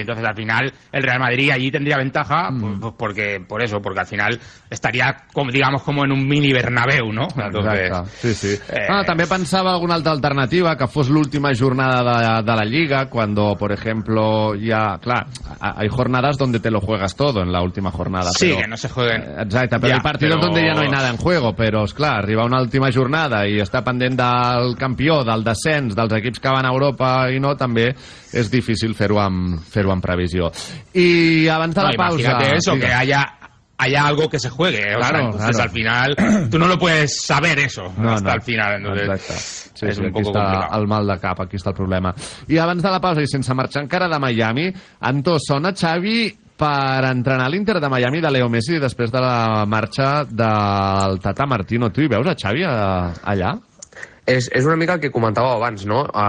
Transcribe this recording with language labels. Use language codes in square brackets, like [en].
[es] Entonces, al final, el Real Madrid allí tendría ventaja, pues, porque por eso, porque al final estaría, como en un mini Bernabéu, ¿no? Entonces, sí. [ca] També pensava alguna altra alternativa, que fos l'última jornada de la Lliga, [es] cuando, por ejemplo, ya, claro, hay jornadas donde te lo juegas todo en la última jornada. Sí, pero, que no se jueguen. [ca] Exacte, [es] pero ya, el partido donde ya no hay nada en juego, pero, es claro, [ca] arriba una última jornada i està pendent del campió, del descens, dels equips que van a Europa i no, també és difícil fer-ho amb previsió. I abans de la pausa... [es] Imagínate eso, que haya algo que se juegue. Claro, o sea, entonces, claro. Al final, tú no lo puedes saber eso. No, al final. Entonces, [ca] sí, aquí està [es] complicado. [ca] El mal de cap, aquí està el problema. I abans de la pausa i sense marxar encara de Miami, Anto, sona Xavi... per entrenar l'Inter de Miami de Leo Messi després de la marxa del Tata Martino. Tu hi veus a Xavi allà? És una mica el que comentava abans, no?